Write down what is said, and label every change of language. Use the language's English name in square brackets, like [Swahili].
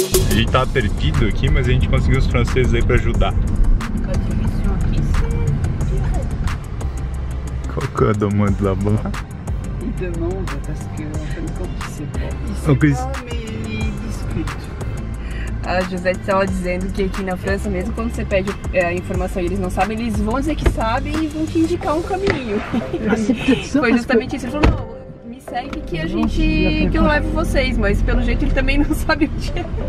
[Portuguese] A gente tava perdido aqui, mas a gente conseguiu os franceses aí pra ajudar. [French] Qu'est-ce qu'on demande là-bas? Ils demandent parce qu'en fin de compte, ils ne savent pas. Ils ne savent pas, mais ils discutent. [Portuguese] a Josette estava dizendo que aqui na França, mesmo quando você pede informação e eles não sabem, eles vão dizer que sabem e vão te indicar um caminho. Foi justamente isso. Ele falou, não, me segue que a gente, que eu levo vocês, mas pelo jeito ele também não sabe o que é.